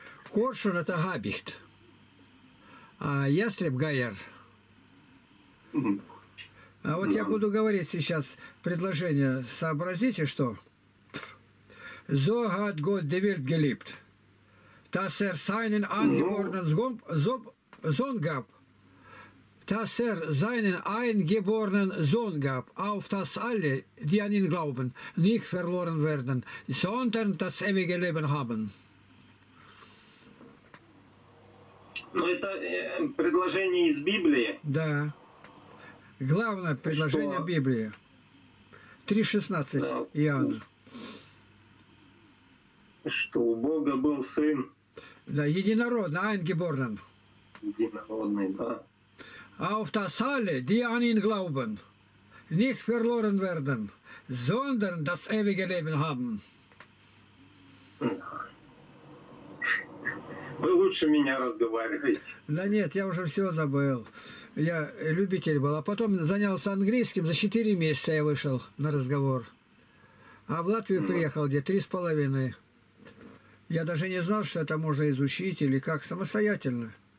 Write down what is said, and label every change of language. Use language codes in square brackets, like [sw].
[ru] Коршун – это габихт, а ястреб – гаяр. А вот я буду говорить сейчас предложение. Сообразите, что? [de] «Зо гад год девельт гелипт, та сэр сайнен ангеборнен зонгаб». Das er seinen eingeborenen Sohn gab, auf das alle, die an ihn glauben, nicht verloren werden, sondern das ewige Leben haben. [ru] Ну, это предложение из Библии. Да. Главное предложение Библии. 3:16 да. Иоанна. Что у Бога был сын. Да, единородный, eingeborenen. Единородный, да. [de] Auf das alle, die an ihn glauben. nicht verloren werden, sondern das ewige Leben haben. [ru] Вы лучше меня разговариваете. Да нет, я уже все забыл. Я любитель был. А потом занялся английским, за 4 месяца я вышел на разговор. А в Латвию приехал где? 3,5. Я даже не знал, что это можно изучить или как самостоятельно.